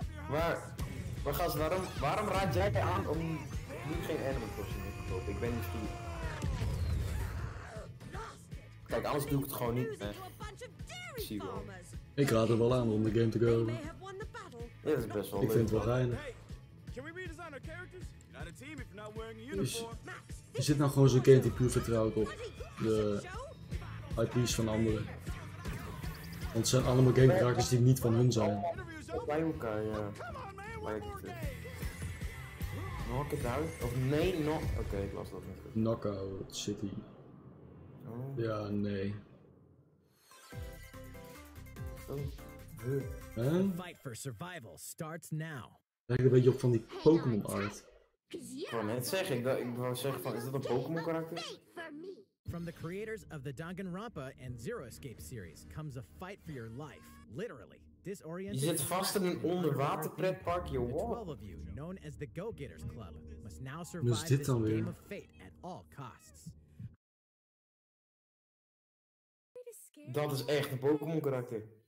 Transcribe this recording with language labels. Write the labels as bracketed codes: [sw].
[nl] Maar gast, waarom raad jij aan om nu geen anime costume te kopen? Ik ben niet vier. Kijk, anders doe ik het gewoon niet, hè. Ik zie wel. Ik raad er wel aan om de game te kopen. Dit is best wel leuk. Ik vind het wel geinig. [en] Can we redesign our characters? Not a team if not wearing a uniform. [nl] Is dit nou gewoon zo'n game die puur vertrouwt op de IP's van anderen? Want het zijn allemaal game characters die niet van hun zijn. Op bij elkaar, ja. Knockout? Of nee, Oké, ik las dat niet. Knockout City. Oh. Ja, nee. [en] Fight for survival starts now. [nl] Lijkt een beetje op van die Pokémon art. Ik wou net zeggen, ik wou zeggen van, is dat een Pokémon karakter? [en] From the creators of the Danganronpa and Zero Escape series comes a fight for your life, literally. Disoriented. [nl] Je zit vast in een onderwaterpretpark, yo. [en] The 12 of you, known as the Go-Getters Club, must now survive this game of fate at all costs. [nl] Dat is echt een Pokémon karakter.